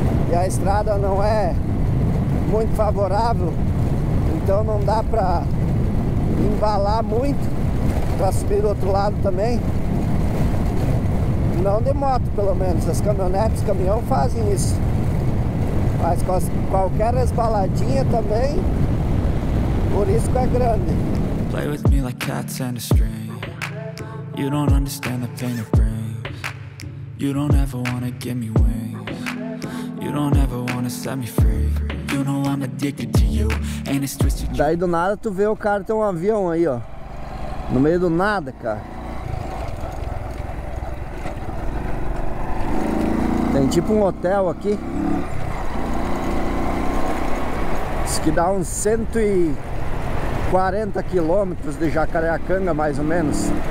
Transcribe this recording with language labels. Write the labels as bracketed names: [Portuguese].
[Portuguese] E a estrada não é muito favorável, então não dá pra embalar muito pra subir do outro lado também. Não de moto, pelo menos. As caminhonetes, caminhão fazem isso. Mas qualquer resbaladinha também, o risco é grande. [English] Play with me like cats and a string. You don't understand the pain it brings. You don't ever wanna give me wings. You don't ever wanna set me free. You know I'm addicted to you. And it's twisted. [Portuguese] Daí do nada tu vê o cara ter um avião aí, ó. No meio do nada, cara. Tem tipo um hotel aqui. Diz que dá uns 140 quilômetros de Jacareacanga, mais ou menos.